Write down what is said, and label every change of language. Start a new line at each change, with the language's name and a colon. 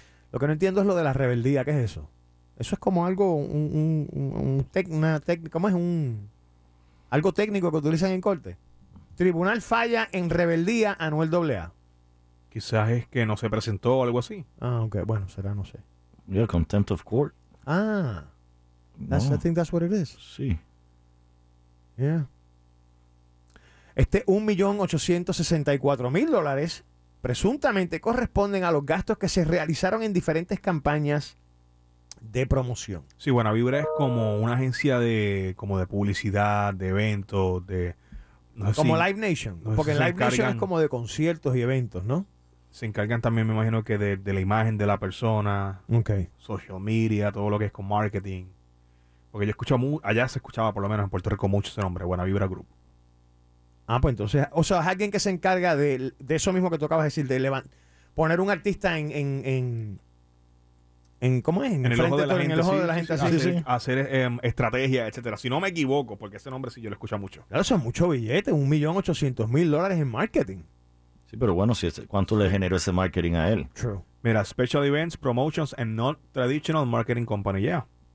Spanish: Lo que no entiendo es lo de la rebeldía, ¿qué es eso? Eso es como algo, algo técnico que utilizan en corte. Tribunal falla en rebeldía a Anuel AA. Quizás es que no se presentó o algo así. Ah, ok, bueno, será, no sé.
English: Yeah, contempt of court. Ah, that's, no. I think that's what it is.
Spanish: Sí.
English: Yeah.
Spanish: Este $1,864,000 presuntamente corresponden a los gastos que se realizaron en diferentes campañas de promoción. Sí, Buena Vibra es como una agencia de publicidad, de eventos, de... No sé, como si, Live Nation, no, porque Live Nation es como de conciertos y eventos, ¿no? Se encargan también, me imagino, que de la imagen de la persona,
English: okay.
Spanish: Social media, todo lo que es con marketing. Porque yo escucho, allá se escuchaba, por lo menos en Puerto Rico, mucho ese nombre, Buena Vibra Group. Ah, pues entonces, o sea, es alguien que se encarga de eso mismo que tú acabas de decir, de poner un artista en ¿cómo es? En el ojo de la gente. En el ojo de la gente, sí, sí. Hacer estrategia, etcétera. Si no me equivoco, porque ese nombre sí yo lo escucho mucho. Claro, son muchos billetes, $1,800,000 en marketing. Sí, pero bueno, si ¿cuánto le generó ese marketing a él?
English: True.
Spanish: Mira,
English: Special Events, Promotions and Non-Traditional Marketing Company, yeah.